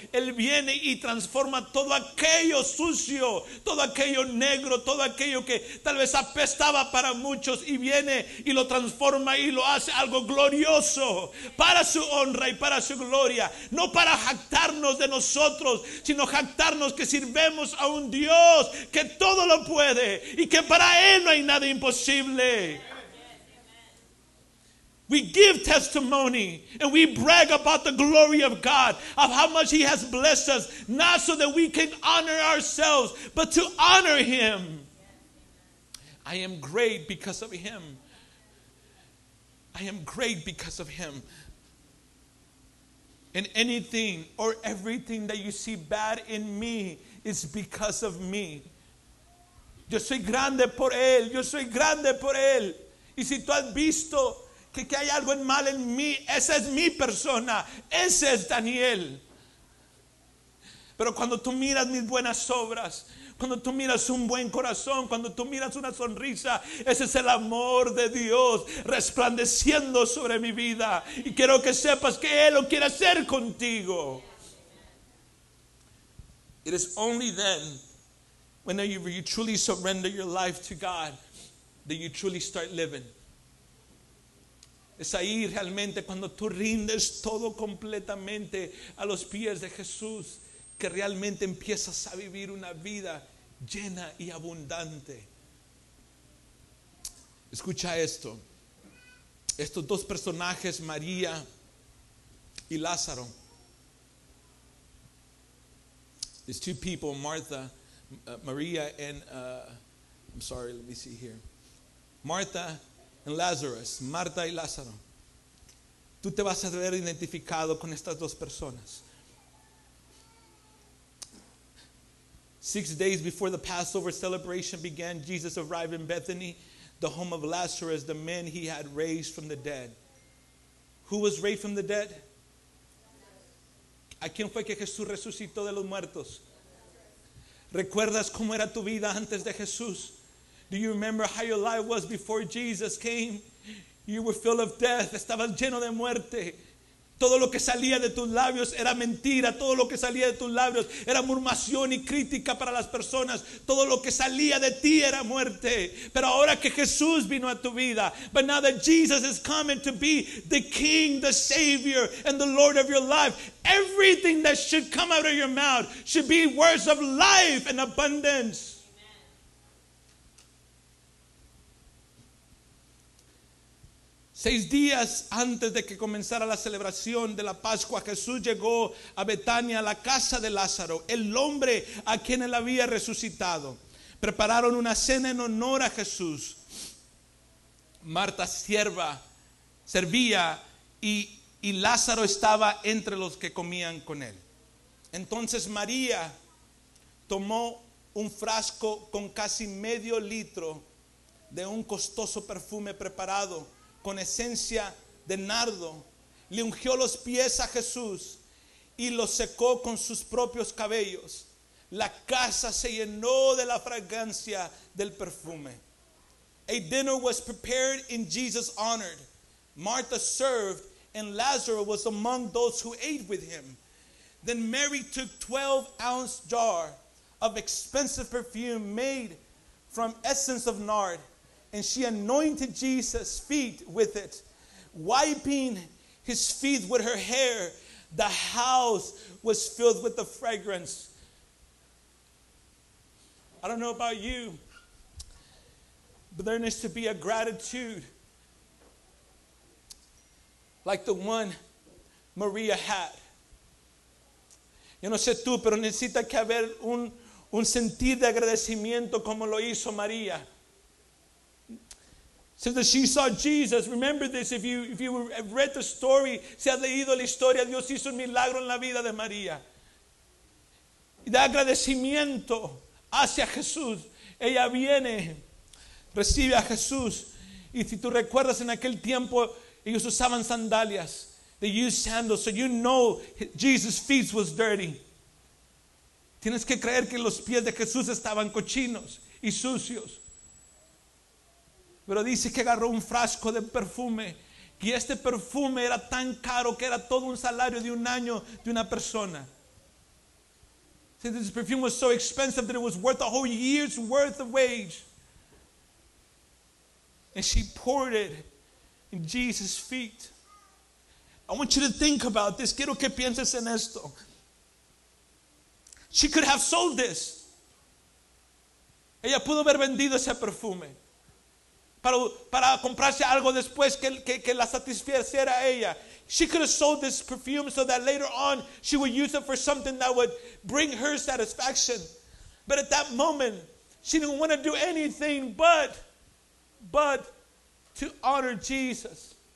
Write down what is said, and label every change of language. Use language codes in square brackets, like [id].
[es] Él viene y transforma todo aquello sucio, todo aquello negro, todo aquello que tal vez apestaba para muchos, y viene y lo transforma y lo hace algo glorioso para su honra y para su gloria. No para jactarnos de nosotros, sino jactarnos que sirvemos a un Dios que todo lo puede y que para Él no hay nada imposible. [en] We give testimony and we brag about the glory of God, of how much He has blessed us, not so that we can honor ourselves, but to honor Him. I am great because of Him. I am great because of Him. And anything or everything that you see bad in me is because of me. [es] Yo soy grande por Él. Yo soy grande por Él. Y si tú has visto que hay algo mal en mí, esa es mi persona, ese es Daniel. Pero cuando tú miras mis buenas obras, cuando tú miras un buen corazón, cuando tú miras una sonrisa, ese es el amor de Dios resplandeciendo sobre mi vida. Y quiero que sepas que Él lo quiere hacer contigo. [en] It is only then, whenever you truly surrender your life to God, that you truly start living. [es] Es ahí realmente cuando tú rindes todo completamente a los pies de Jesús que realmente empiezas a vivir una vida llena y abundante. Escucha esto. Estos dos personajes, María y Lázaro. [en] These two people, Martha, Maria and, I'm sorry, let me see here. Martha and Lazarus. [es] Marta y Lázaro. Tú te vas a ver identificado con estas dos personas. [en] 6 days before the Passover celebration began, Jesus arrived in Bethany, the home of Lazarus, the man He had raised from the dead. Who was raised from the dead? [es] ¿A quién fue que Jesús resucitó de los muertos? ¿Recuerdas cómo era tu vida antes de Jesús? [en] Do you remember how your life was before Jesus came? You were full of death. [es] Estabas lleno de muerte. Todo lo que salía de tus labios era mentira. Todo lo que salía de tus labios era murmuración y crítica para las personas. Todo lo que salía de ti era muerte. Pero ahora que Jesús vino a tu vida, [en] but now that Jesus is coming to be the King, the Savior, and the Lord of your life, everything that should come out of your mouth should be words of life and abundance. [es] Seis días antes de que comenzara la celebración de la Pascua, Jesús llegó a Betania, a la casa de Lázaro, el hombre a quien Él había resucitado. Prepararon una cena en honor a Jesús. Marta sierva, servía y Lázaro estaba entre los que comían con Él. Entonces María tomó un frasco con casi medio litro de un costoso perfume preparado con esencia de nardo, le ungió los pies a Jesús y lo secó con sus propios cabellos. La casa se llenó de la fragancia del perfume. [en] A dinner was prepared in Jesus' honor. Martha served, and Lazarus was among those who ate with him. Then Mary took 12-ounce jar of expensive perfume made from essence of nard, and she anointed Jesus' feet with it, wiping His feet with her hair. The house was filled with the fragrance. I don't know about you, but there needs to be a gratitude like the one Maria had. [es] Yo no sé tú, pero necesita que haber un sentir de agradecimiento como lo hizo María. [en] Says that she saw Jesus. Remember this, if you have read the story, [es] si has leído la historia, Dios hizo un milagro en la vida de María. De agradecimiento hacia Jesús. Ella viene, recibe a Jesús. Y si tú recuerdas, en aquel tiempo, ellos usaban sandalias. [en] They used sandals. So you know Jesus' feet was dirty. [es] Tienes que creer que los pies de Jesús estaban cochinos y sucios. Pero dice que agarró un frasco de perfume Y este perfume era tan caro que era todo un salario de un año de una persona. [en] See, this perfume was so expensive that it was worth a whole year's worth of wage. And she poured it in Jesus' feet. I want you to think about this. [es] Quiero que pienses en esto. [en] She could have sold this. [es] Ella pudo haber vendido ese perfume para comprarse algo después que la satisfaciera a ella. [en] She could have sold this perfume so that later on she would use it for something that would bring her satisfaction. But at that moment, she didn't want to do anything but to honor Jesus.